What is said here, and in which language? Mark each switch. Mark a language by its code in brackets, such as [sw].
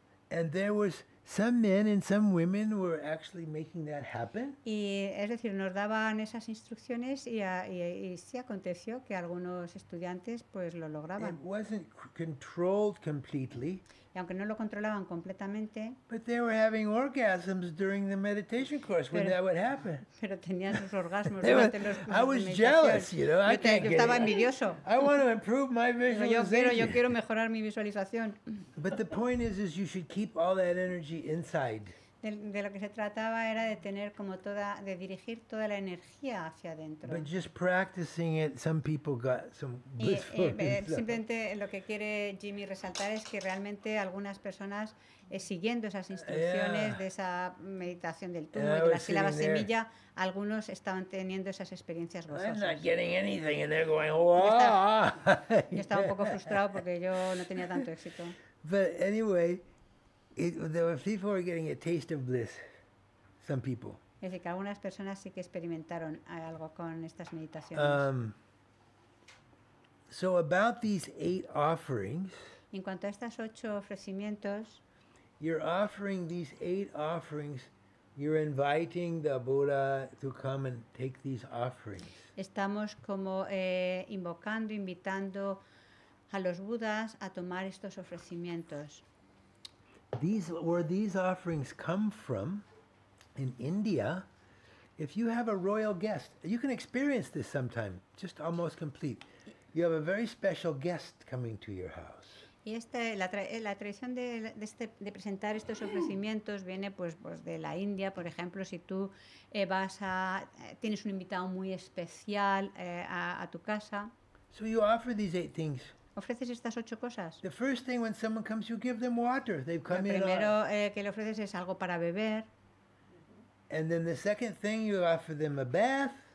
[en] And there was some men and some women were actually making that happen. [es] Y es decir, nos daban esas instrucciones y sí aconteció que algunos estudiantes pues lo lograban. [en] It wasn't controlled completely. [es] Y aunque no lo controlaban completamente. [en] But they were having orgasms during the meditation course when that would happen. [es] Pero tenían sus orgasmos durante los cursos de meditación. [en] I was jealous, you know. [es] Yo estaba envidioso. [en] I want to improve my visualization. [es] Yo quiero mejorar mi visualización. [en] But the point is you should keep all that energy inside. [es] De lo que se trataba era de tener como toda, de dirigir toda la energía hacia adentro. [en] But just practicing it, some people got some blissful [es] simplemente lo que quiere Jimmy resaltar es que realmente algunas personas siguiendo esas instrucciones de esa meditación del tumo y de la sílaba semilla, algunos estaban teniendo esas experiencias gozosas. [en] I'm not getting anything and they're going, wow. [es] Yo estaba un poco frustrado porque yo no tenía tanto éxito. [en] But anyway, people were getting a taste of bliss, some people. [es] Es decir, que algunas personas sí que experimentaron algo con estas meditaciones. [en] So about these eight offerings. [es] En cuanto a estas ocho ofrecimientos. [en] You're offering these eight offerings. You're inviting the Buddha to come and take these offerings. [es] Estamos como invocando, invitando a los Budas a tomar estos ofrecimientos. [en] Where these offerings come from in India, if you have a royal guest, you can experience this sometime, just almost complete. You have a very special guest coming to your house. [es] Y esta, la tradición de presentar estos ofrecimientos viene pues de la India, por ejemplo, si tú tienes un invitado muy especial a tu casa. [en] So you offer these eight things. [es] Ofreces estas ocho cosas. [en] The first thing when someone comes, you give them water. They've come [es] primero, [en] in. [es] Lo primero que le ofreces es algo para beber. [en] And then the second thing, you offer them a bath.